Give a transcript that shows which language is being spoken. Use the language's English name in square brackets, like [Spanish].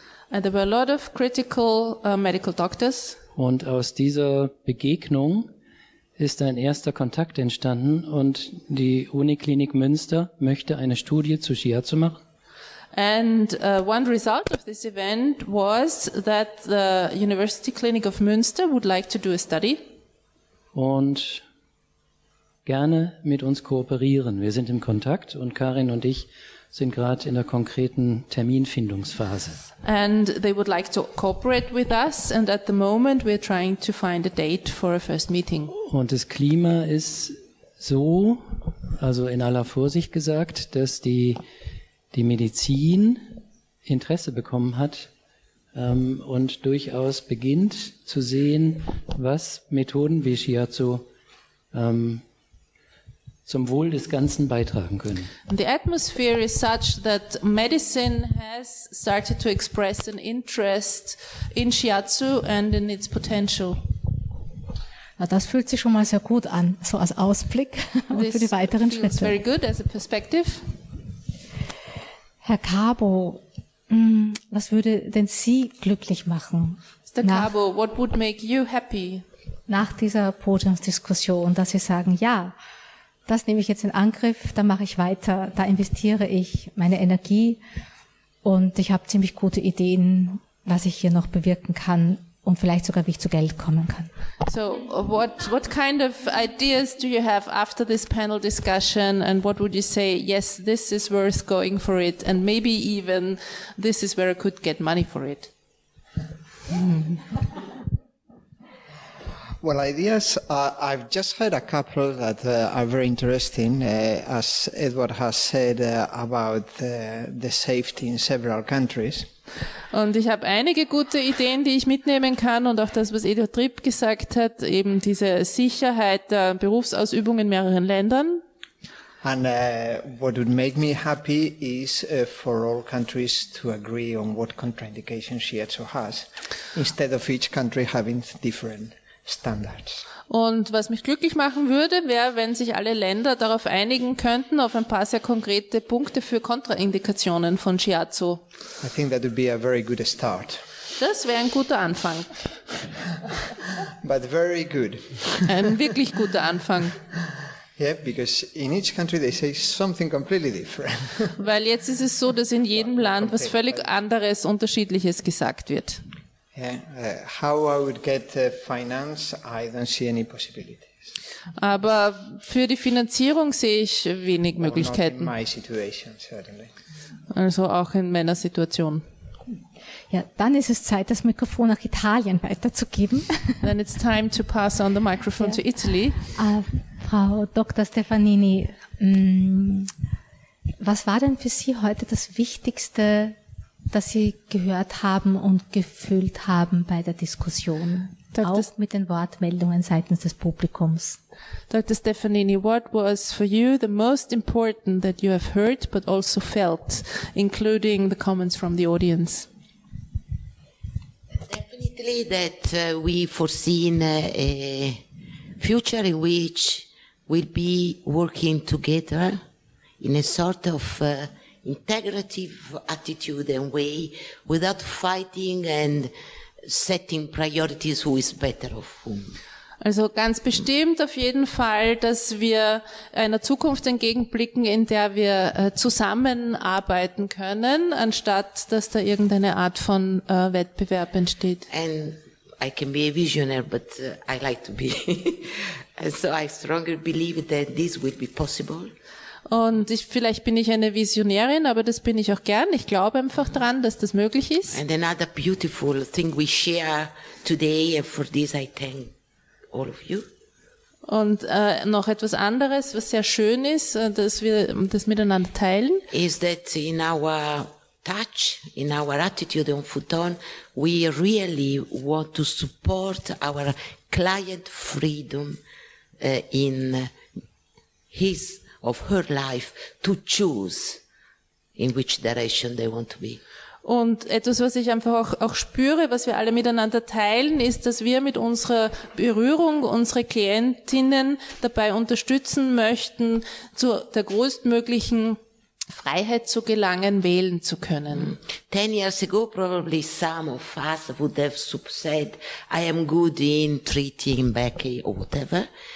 [English] And there were a lot of critical medical doctors. [German] Und aus dieser Begegnung ist ein erster Kontakt entstanden und die Uniklinik Münster möchte eine Studie zu Shiatsu machen. [English] And one result of this event was that the University Clinic of Münster would like to do a study. [German] Und gerne mit uns kooperieren. Wir sind im Kontakt und Karin und ich sind gerade in der konkreten Terminfindungsphase. [English] And they would like to cooperate with us and at the moment we're trying to find a date for a first meeting. [German] Und das Klima ist so, also in aller Vorsicht gesagt, dass die Medizin Interesse bekommen hat und durchaus beginnt zu sehen, was Methoden wie Shiatsu zum Wohl des Ganzen beitragen können. [English] The atmosphere is such that medicine has started to express an interest in Shiatsu and in its potential. [German] Na, das fühlt sich schon mal sehr gut an, so als Ausblick und [English] this [German] für die weiteren [English] feels Very good as a perspective. [German] Herr Cabo, was würde denn Sie glücklich machen? [English] Mr. Cabo, what would make you happy? [German] Nach dieser Podiumsdiskussion, dass Sie sagen, ja, das nehme ich jetzt in Angriff, da mache ich weiter, da investiere ich meine Energie und ich habe ziemlich gute Ideen, was ich hier noch bewirken kann und vielleicht sogar, wie ich zu Geld kommen kann. [English] So, what kind of ideas do you have after this panel discussion and what would you say, yes, this is worth going for it and maybe even this is where I could get money for it? Well, ideas, I've just heard a couple that are very interesting, as Edward has said about the safety in several countries. [German] Und ich habe einige gute Ideen, die ich mitnehmen kann und auch das, was Edward Tripp gesagt hat, eben diese Sicherheit der Berufsausübung in mehreren Ländern. [English] And what would make me happy is for all countries to agree on what contraindication Shiatsu has, instead of each country having different standards. [German] Und was mich glücklich machen würde, wäre, wenn sich alle Länder darauf einigen könnten, auf ein paar sehr konkrete Punkte für Kontraindikationen von Shiatsu. [English] I think that would be a very good start. [German] Das wäre ein guter Anfang. [English] But very good. [German] Ein wirklich guter Anfang. [English] Yeah, because in each country they say something completely different. [German] Weil jetzt ist es so, dass in jedem Land was völlig anderes, unterschiedliches gesagt wird. [English] How I would get finance, I don't see any possibilities. [German] Aber für die Finanzierung sehe ich wenig Möglichkeiten. [English] Not in my situation, certainly. [German] Also auch in meiner Situation. Ja, dann ist es Zeit, das Mikrofon nach Italien weiterzugeben. [English] Then it's time to pass on the microphone to Italy. [German] Frau Dr. Stefanini, was war denn für Sie heute das Wichtigste, dass Sie gehört haben und gefühlt haben bei der Diskussion, auch mit den Wortmeldungen seitens des Publikums. [English] Dr. Stefanini, what was for you the most important that you have heard but also felt, including the comments from the audience? Definitely that we foreseen a future in which we'll be working together in a sort of integrative attitude and way without fighting and setting priorities who is better of whom. [German] Also ganz bestimmt auf jeden Fall, dass wir einer Zukunft entgegenblicken, in der wir zusammenarbeiten können, anstatt dass da irgendeine Art von Wettbewerb entsteht. [English] And I can be a visionary, but I like to be. And so I strongly believe that this will be possible. [German] Und ich, vielleicht bin ich eine Visionärin, aber das bin ich auch gern. Ich glaube einfach dran, dass das möglich ist. [English] And another beautiful thing we share today, and for this I thank all of you. [German] Und noch etwas anderes, was sehr schön ist, dass wir das miteinander teilen. [English] Is that in our touch in our attitude on futon, we really want to support our client freedom in his of her life to choose in which direction they want to be. [German] Und etwas, was ich einfach auch spüre, was wir alle miteinander teilen, ist, dass wir mit unserer Berührung unsere Klientinnen dabei unterstützen möchten, zu der größtmöglichen Freiheit zu gelangen, wählen zu können. [English] 10 years ago, probably some of us would have said, I am good in treating Becky or whatever.